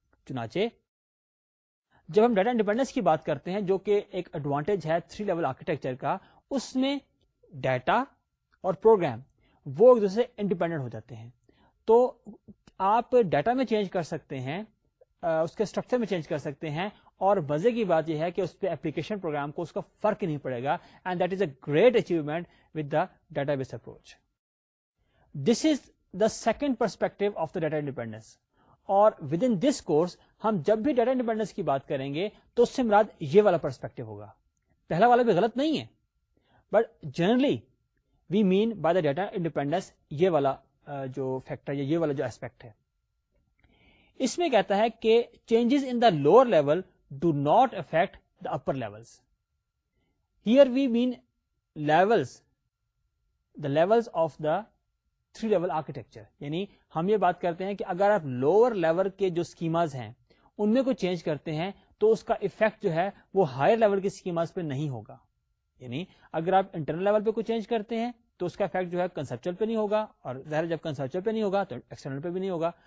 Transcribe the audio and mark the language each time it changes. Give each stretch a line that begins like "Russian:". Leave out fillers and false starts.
Urdu: چنانچہ جب ہم ڈیٹا انڈیپینڈنس کی بات کرتے ہیں, جو کہ ایک ایڈوانٹیج ہے تھری لیول آرکیٹیکچر کا, اس میں ڈیٹا اور پروگرام وہ ایک دوسرے سے انڈیپینڈنٹ ہو جاتے ہیں. تو آپ ڈیٹا میں چینج کر سکتے ہیں, اس کے اسٹرکچر میں چینج کر سکتے ہیں, اور مزے کی بات یہ ہے کہ اس پہ اپلیکیشن پروگرام کو اس کا فرق نہیں پڑے گا.
English: And that is a great achievement with the database approach. This is the second perspective of the data independence.
Urdu: اور
English: with in this course
Urdu: ہم جب بھی ڈیٹا انڈیپینڈنس کی بات کریں گے تو اس سے مراد یہ والا پرسپیکٹو ہوگا. پہلا والا بھی غلط نہیں ہے,
English: but generally we mean by the data independence
Urdu: یہ والا جو فیکٹر یا یہ والا جو اسپیکٹ ہے. اس میں کہتا ہے کہ
English: Changes in the lower level do not affect the upper levels. Here we mean levels, the levels of the three level architecture.
Urdu: یعنی ہم یہ بات کرتے ہیں کہ اگر آپ لوور لیول کے جو اسکیماز ہیں ان میں کوئی چینج کرتے ہیں تو اس کا افیکٹ جو ہے وہ ہائر لیول کے اسکیماز پہ نہیں ہوگا. یعنی اگر آپ انٹرنل لیول پہ کوئی چینج کرتے ہیں تو اس کا افیکٹ جو ہے کنسپچل پہ نہیں ہوگا, اور ظاہر جب کنسپچل پہ نہیں ہوگا تو ایکسٹرنل پہ بھی نہیں ہوگا.